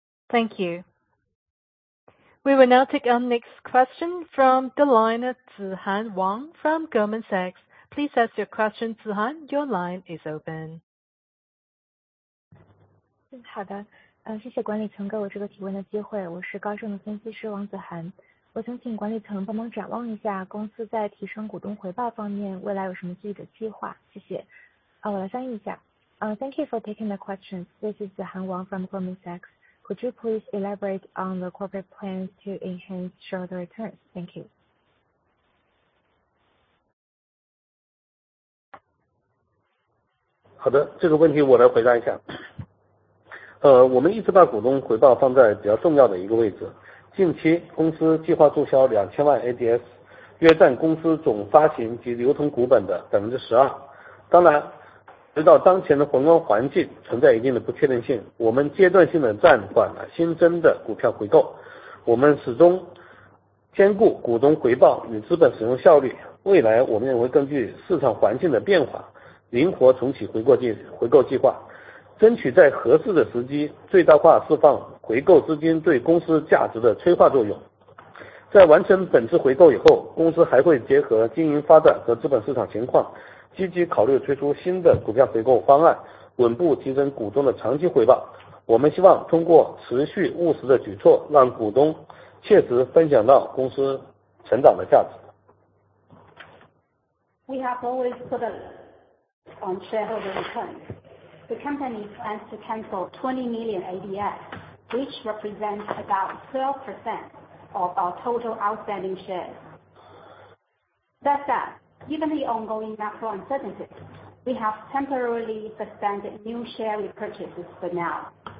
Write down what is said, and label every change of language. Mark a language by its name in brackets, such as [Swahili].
[English] Thank you. We will now take our next question from the line of Zihan Wang from Goldman Sachs. Please ask your question, Zihan. Your line is open. [Chinese] 好的，谢谢管理层给我这个提问的机会。我是高盛的分析师王子涵。我想请管理层帮忙展望一下公司在提升股东回报方面未来有什么具体的计划。谢谢。我来翻译一下。 [English] Thank you for taking the question. This is Zihan Wang from Goldman Sachs. Could you please elaborate on the corporate plans to enhance shareholder returns? Thank you. Okay, this question I will answer. [Chinese] 我们一直把股东回报放在比较重要的一个位置。近期公司计划注销2000万 ADS， 约占公司总发行及流通股本的12%。当然，直到当前的宏观环境存在一定的不确定性，我们阶段性的暂缓了新增的股票回购。我们始终兼顾股东回报与资本使用效率，未来我们也会根据市场环境的变化灵活重启回购计划，争取在合适的时机最大化释放回购资金对公司价值的催化作用。在完成本次回购以后，公司还会结合经营发展和资本市场情况，积极考虑推出新的股票回购方案，稳步提升股东的长期回报。我们希望通过持续务实的举措，让股东切实分享到公司成长的价值。 [English] We have always put on shareholder returns. The company plans to cancel 20 million ADS, which represents about 12% of our total outstanding shares. That said, given the ongoing macro uncertainty, we have temporarily suspended new share repurchases for now.